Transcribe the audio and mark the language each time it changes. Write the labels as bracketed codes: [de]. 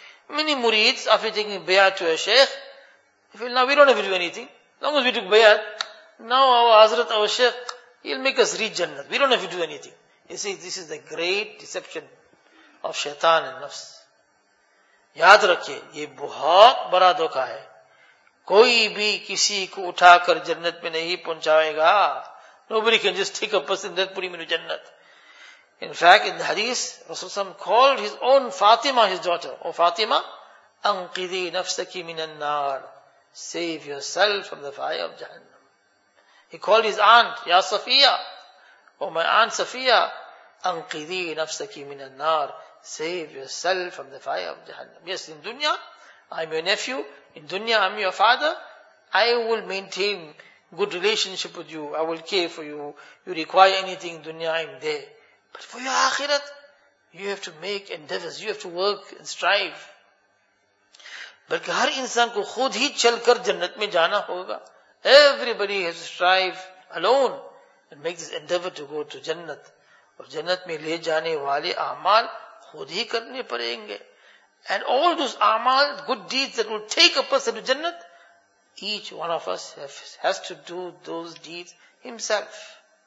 [en] Many murids, after taking bayat to a sheikh, they feel, now we don't have to do anything. Long as we took bayat, now our hazrat, our sheikh, he'll make us reach jannat. We don't have to do anything. You see, this is the great deception of shaitan and nafs. [ur] یاد رکھیے, یہ بہت بڑا دھوکا ہے. کوئی بھی کسی کو اٹھا کر جنت میں نہیں پہنچائے گا. [en] Nobody can just take a person that put him into jannat. In fact, in the hadith, Rasul Sam called his own Fatima, his daughter. [ar] Oh Fatima, anqidhi nafsaki minan nar. [en] Save yourself from the fire of Jahannam. He called his aunt, Ya Safiya. Oh my aunt Safiya, [ar] anqidhi nafsaki minan nar. [en] Save yourself from the fire of Jahannam. Yes, in dunya, I'm your nephew. In dunya, I'm your father. I will maintain good relationship with you. I will care for you. You require anything, dunya, I'm there. But for your akhirat, you have to make endeavors. You have to work and strive. [ur] بلکہ ہر انسان کو خود ہی چل کر جنت میں جانا ہوگا. [en] Everybody has to strive alone and make this endeavor to go to jannat. [ur] اور جنت میں لے جانے والے اعمال خود ہی کرنے پڑیں گے. [en] And all those amal, good deeds that will take a person to Jannat, each one of us has to do those deeds himself.